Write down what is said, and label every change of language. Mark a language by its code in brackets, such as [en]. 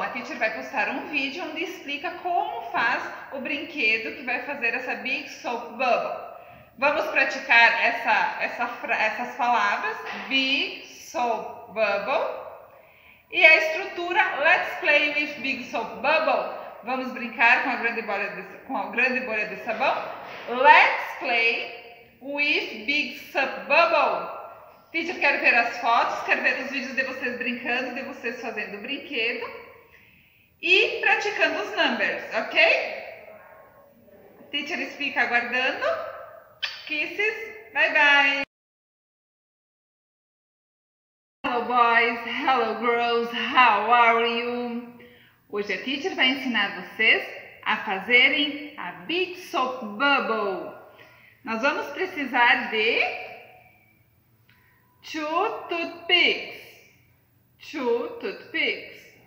[pt] A teacher vai postar um vídeo onde explica como faz o brinquedo que vai fazer essa Big Soap Bubble. Vamos praticar essas palavras, Big Soap Bubble, e a estrutura, [en] Let's Play with Big Soap Bubble. [pt] Vamos brincar com a grande bolha de sabão. [en] Let's Play with Big Soap Bubble. [pt] Teacher, quero ver as fotos, quero ver os vídeos de vocês brincando, de vocês fazendo brinquedo e praticando os numbers, ok? Teacher fica aguardando. [en] Kisses, bye bye. Hello boys, hello girls, how are you? [pt] Hoje a teacher vai ensinar vocês a fazerem a Big Soap Bubble. Nós vamos precisar de 2 toothpicks. [en] 2 toothpicks.